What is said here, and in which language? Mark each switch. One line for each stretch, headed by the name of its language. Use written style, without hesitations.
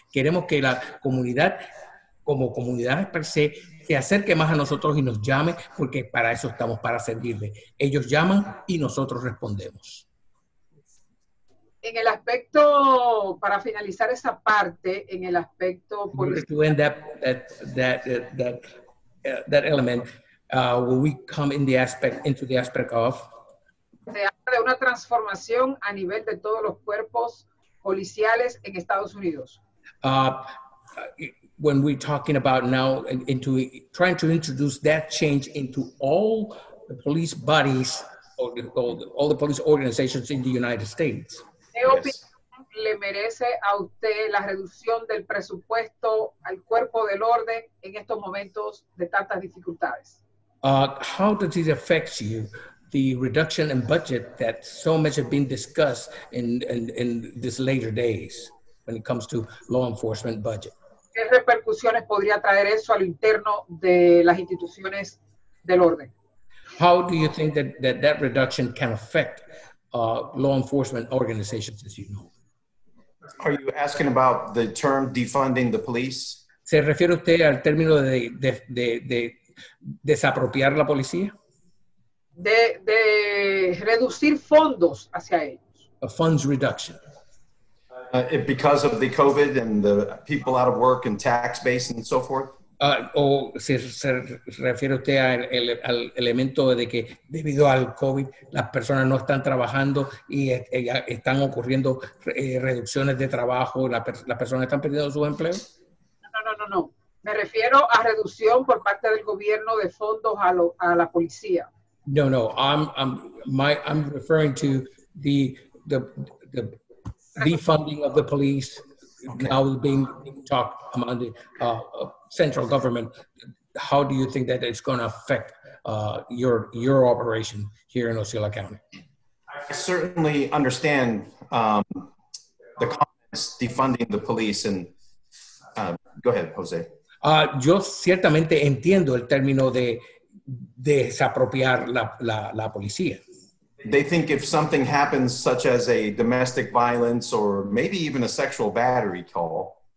Spanish: Queremos que la comunidad, como comunidad per se, se acerque más a nosotros y nos llame, porque para eso estamos, para servirle. Ellos llaman y nosotros respondemos. En el aspecto, para finalizar esa parte, en el aspecto policial.
English: To end that element, will we come into the aspect of?
Spanish: Se habla de una transformación a nivel de todos los cuerpos policiales en Estados Unidos.
English: When we're talking about now into trying to introduce that change into all the police bodies or all the police organizations in the United States.
Spanish: ¿Qué opinión le merece a usted la reducción del presupuesto al cuerpo del orden en estos momentos de tantas dificultades?
English: How does it affect you, the reduction in budget that so much has been discussed in these later days when it comes to law enforcement budget?
Spanish: ¿Qué repercusiones podría traer eso al interno de las instituciones del orden?
English: How do you think that reduction can affect law enforcement organizations, as you know? Are you asking about the term defunding the police?
Spanish: ¿Se refiere usted al término de desapropiar la policía? De reducir fondos hacia ellos.
English: A funds reduction. Because of the COVID and the people out of work and tax base and so forth?
Spanish: ¿Se refiere usted al elemento de que debido al COVID las personas no están trabajando y están ocurriendo reducciones de trabajo, las personas están perdiendo sus empleos? No. Me refiero a reducción por parte del gobierno de fondos a la policía.
English: No. I'm referring to the defunding of the police. Okay. Now being talked among the central government, how do you think that it's going to affect your operation here in Osceola County? I certainly understand the comments defunding the police. And go ahead, Jose.
Spanish: Yo ciertamente entiendo el término de desapropiar la policía.
English: They think if something happens, such as a domestic violence or maybe even a sexual battery call.